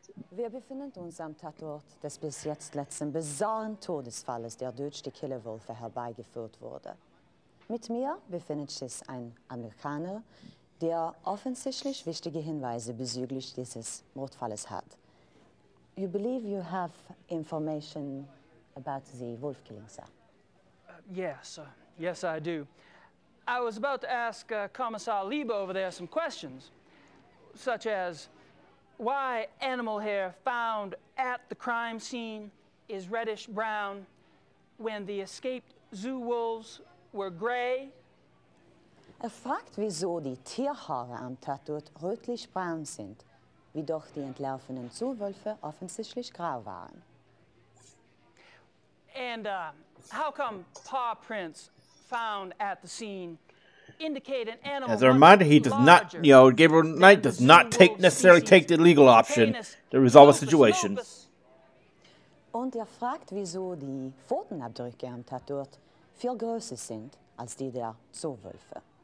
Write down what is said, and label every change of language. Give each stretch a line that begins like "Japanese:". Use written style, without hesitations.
German: Wir befinden uns am Tatort des bis jetzt letzten bizarren Todesfalles, der durch die Killerwölfe herbeigeführt wurde. Mit mir befindet sich ein Amerikaner, der offensichtlich wichtige Hinweise bezüglich dieses Mordfalles hat.
English: You believe you have information about the wolf killing, sir? Yes, I do. I was about to ask Commissar Lieber over there some questions, such as, why animal hair found at the crime scene is reddish brown when the escaped zoo wolves were gray?
German: Er fragt, wieso die Tierhaare am Tatort rötlich-braun sind, wie doch die entlaufenen Zoowölfe offensichtlich grau waren.
English: And how come paw prints found at the scene indicate an animal? As a reminder, he does not, you know, Gabriel Knight does not take the legal option to resolve a situation.
German: Und er fragt, wieso die Pfotenabdrücke am Tatort viel größer sind als die der Zoowölfe.